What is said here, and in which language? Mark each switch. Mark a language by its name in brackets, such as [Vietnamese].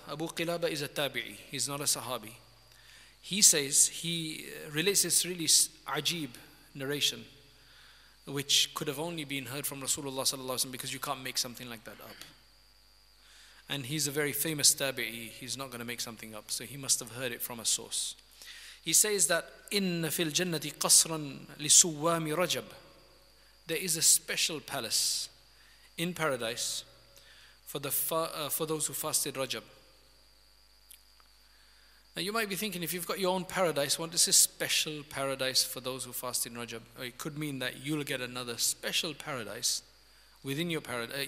[English] Abu Qilaba is a tabi'i, he's not a sahabi. He says, he relates this really ajib narration, which could have only been heard from Rasulullah sallallahu alaihi wasallam, because you can't make something like that up. And he's a very famous tabi'i, he's not going to make something up, so he must have heard it from a source. He says that, [Arabic] إِنَّ فِي الْجَنَّةِ قَصْرًا لِسُوَّامِ رَجَبْ. [English] There is a special palace in paradise for those who fasted Rajab. Now you might be thinking, if you've got your own paradise, what is this special paradise for those who fast in Rajab? It could mean that you'll get another special paradise within your paradise.